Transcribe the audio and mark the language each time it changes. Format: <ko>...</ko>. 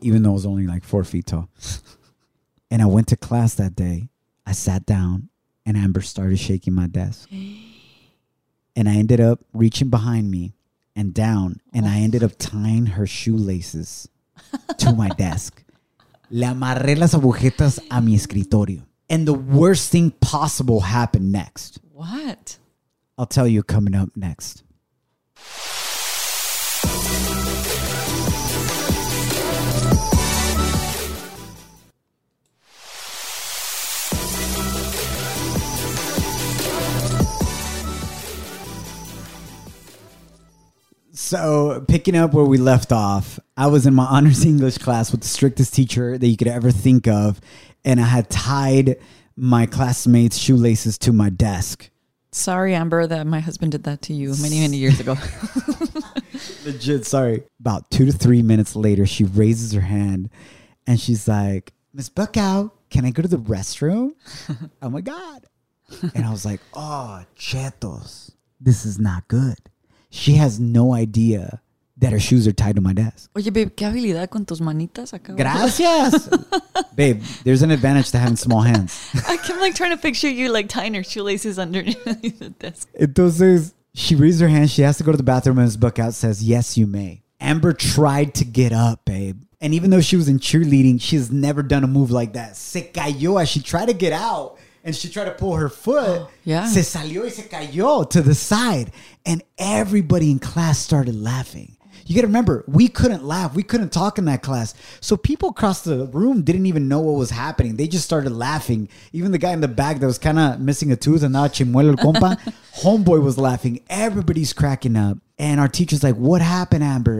<en>Even though I was only like 4 feet tall. And I went to class that day. I sat down and Amber started shaking my desk. And I ended up reaching behind me and down. And I ended up tying her shoelaces to my desk.</en> <es>Le amarré las agujetas a mi escritorio.</es> <en>And the worst thing possible happened next. What? I'll tell you coming up next. So picking up where we left off, I was in my honors English class with the strictest teacher that you could ever think of. And I had tied my classmates' shoelaces to my desk. Sorry, Amber, that my husband did that to you many, many years ago. Legit, sorry. About 2 to 3 minutes later, she raises her hand and she's like, Miss Buckow, can I go to the restroom? Oh, my God. And I was like, oh, chetos, this is not good. She has no idea that her shoes are tied to my desk.</en> <es>Oye,</es> <en>babe,</en> <es>¿qué habilidad con tus manitas acá? Gracias.</es> <en>Babe, there's an advantage to having small hands. I'm like trying to picture you like tying her shoelaces underneath the desk. Entonces, she raises her hand. She has to go to the bathroom and his book out says, yes, you may. Amber tried to get up, babe. And even though she was in cheerleading, she has never done a move like that.</en> <es>Se cayó.</es> <en>She tried to get out. And she tried to pull her foot. Oh, yeah.</en> <es>Se salió y se cayó</es> <en>to the side. And everybody in class started laughing. You got to remember, we couldn't laugh. We couldn't talk in that class. So people across the room didn't even know what was happening. They just started laughing. Even the guy in the back that was kind of missing a tooth and not</en> <es>chimuelo el compa,</es> <en>homeboy was laughing. Everybody's cracking up. And our teacher's like, what happened, Amber?</en>